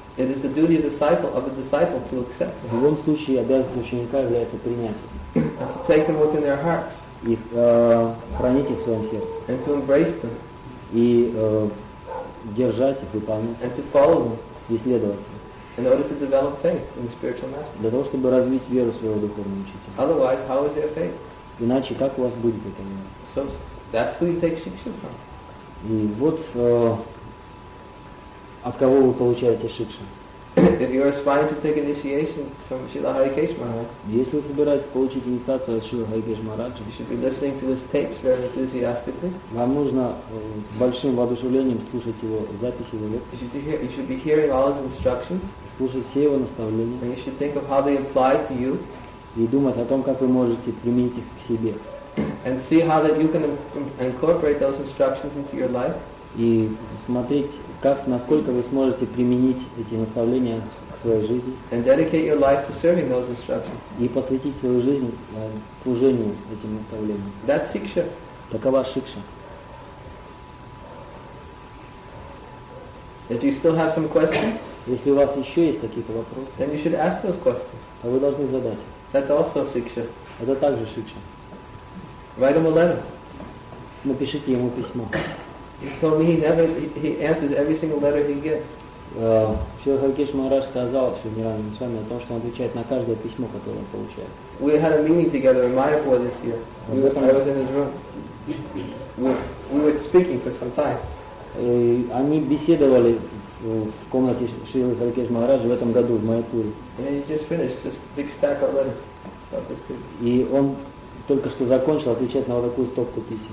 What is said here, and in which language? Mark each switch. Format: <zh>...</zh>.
<en>It is the duty of the disciple to accept.</en> <ru>В любом случае обязанность ученика является принять их.</ru> <en>And to take them within their hearts.</en> <ru>И хранить их в своем сердце.</ru> <en>And to embrace them.</en> <ru>И держать их, выполнять.</ru> <en>And to follow them.</en> <ru>И следовать им.</ru> <en>In order to develop faith in the spiritual master.</en> <ru>Для того, чтобы развить веру своего духовного учителя.</ru> <en>Otherwise, how is their faith?</en> <ru>Иначе как у вас будет это время?</ru> <en>So that's who you take shiksha from.</en> <ru>И вот от кого вы получаете шикшу?</ru> <en>If you are aspiring to take initiation from Srila Harikesh Maharaj,</en> <ru>если вы собираетесь получить инициацию от Шрила Харикеш Махараджа,</ru> <en>you should be listening to his tapes very enthusiastically.</en> <ru>Вам нужно с большим воодушевлением слушать его записи, его лекции.</ru> <en>You should be hearing all his instructions.</en> <ru>Слушать все его наставления.</ru> <en>And you should think of how they apply to you.</en> <ru>И думать о том, как вы можете применить их к себе.</ru> <en>And see how that you can incorporate those instructions into your life.</en> <ru>И смотреть, как, насколько вы сможете применить эти наставления к своей жизни.</ru> <en>And dedicate your life to serving those instructions.</en> <ru>И посвятить свою жизнь служению этим наставлениям.</ru> <en>That's siksha.</en> <ru>Такова шикша.</ru> <en>If you still have some questions,</en> <ru>если у вас еще есть какие-то вопросы,</ru> <en>then you should ask those questions.</en> <ru>То вы должны задать их.</ru> <en>That's also siksha.</en> <ru>Это также шикша.</ru> <en>Write him a letter.</en> <ru>Напишите ему письмо.</ru> <en>He told me he answers every single letter he gets.</en> <ru>Шрила Харикеш Махарадж сказал Шриниранану Свами о том, что он отвечает на каждое письмо, которое он получает.</ru> <en>We had a meeting together in Mayapur this year. I was in his room. We were speaking for some time.</en> <ru>Они беседовали в комнате Шрилы Харикеш Махараджа в этом году в Майяпуре.</ru> <en>And he just finished this big stack of letters.</en> <ru>И он только что закончил отвечать на вот такую стопку писем.</ru>